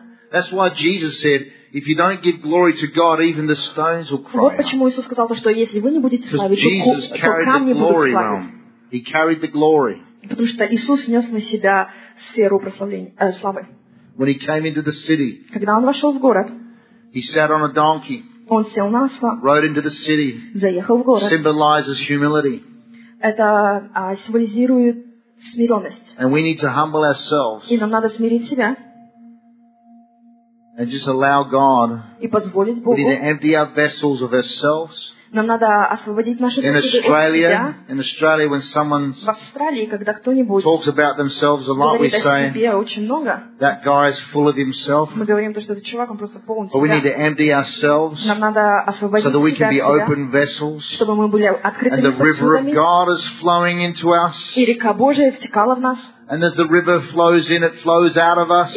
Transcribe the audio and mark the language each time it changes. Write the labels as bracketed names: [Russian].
[English] That's why Jesus said, if you don't give glory to God, even the stones will cry. [Russian] Вот почему Иисус сказал то, что если вы не будете славить, [English] Jesus carried the glory realm. He carried the glory. [Russian] Потому что Иисус нес на себя сферу прославления, славы. [English] When he came into the city, [Russian] когда он вошел в город, [English] he sat on a donkey. [Russian] Он сел на осла. [English] Rode into the city. [Russian] Заехал в город. [English] Symbolizes humility. [Russian] Это символизирует смиренность. [English] And we need to humble ourselves. [Russian] И нам надо смирить себя. [English] And just allow God. [Russian] И позволить Богу. [English] We need to empty our vessels of ourselves. [Russian] Нам надо освободить наши сосуды. [English] In Australia, when someone talks about themselves a lot, we say that guy is full of himself. [Russian] Мы говорим то, что этот чувак, он просто полон себя. [English] But we need to empty ourselves. [Russian] Нам надо освободить [English] so that we [Russian] себя [English] can be open vessels. [Russian] Чтобы мы были открытыми сосудами. [English] And the river of God is flowing into us. [Russian] И река Божия втекала в нас. [English] And as the river flows in, it flows out of us.